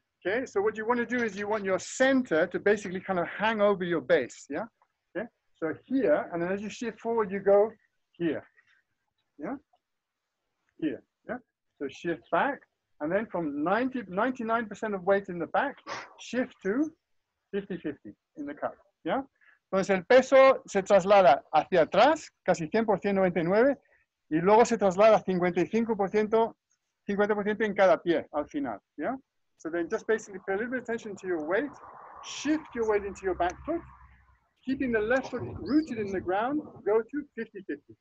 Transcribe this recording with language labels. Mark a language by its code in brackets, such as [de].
[en] Okay, so what you want to do is you want your center to basically kind of hang over your base, yeah? Okay, so here, and then as you shift forward, you go here, yeah? Here. So shift back, and then from 99% of weight in the back, shift to 50-50 in the cut, yeah? [es] Entonces el peso se traslada hacia atrás, casi 100%, 99%, y luego se traslada 55% en cada pie al final, yeah? [en] So then just basically pay a little bit of attention to your weight, shift your weight into your back foot, keeping the left foot rooted in the ground, go to 50-50.